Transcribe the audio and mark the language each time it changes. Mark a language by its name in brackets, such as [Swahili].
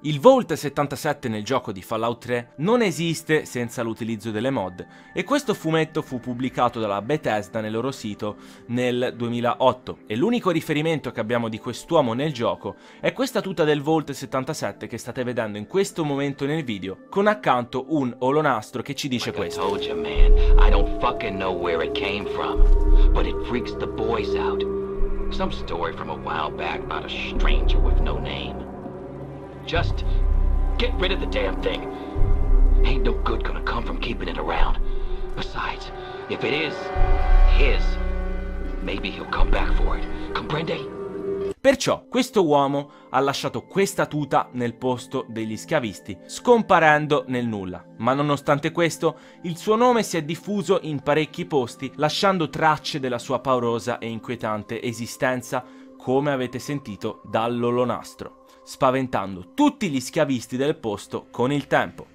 [Italian] Il Vault 77 nel gioco di Fallout 3 non esiste senza l'utilizzo delle mod, e questo fumetto fu pubblicato dalla Bethesda nel loro sito nel 2008, e l'unico riferimento che abbiamo di quest'uomo nel gioco è questa tuta del Vault 77 che state vedendo in questo momento nel video, con accanto un olonastro che ci dice questo. [English] Like I told you, man, I don't fucking know where it came from, but it freaks the boys out. Some story from a while back about a stranger with no name. Just get rid of the damn thing. Ain't no good gonna come from keeping it around. Besides, if it is his, maybe he'll come back for it. [Spanish] Comprende? [Italian] Perciò questo uomo ha lasciato questa tuta nel posto degli schiavisti, scomparendo nel nulla. Ma nonostante questo, il suo nome si è diffuso in parecchi posti, lasciando tracce della sua paurosa e inquietante esistenza, come avete sentito dall'olonastro, spaventando tutti gli schiavisti del posto con il tempo.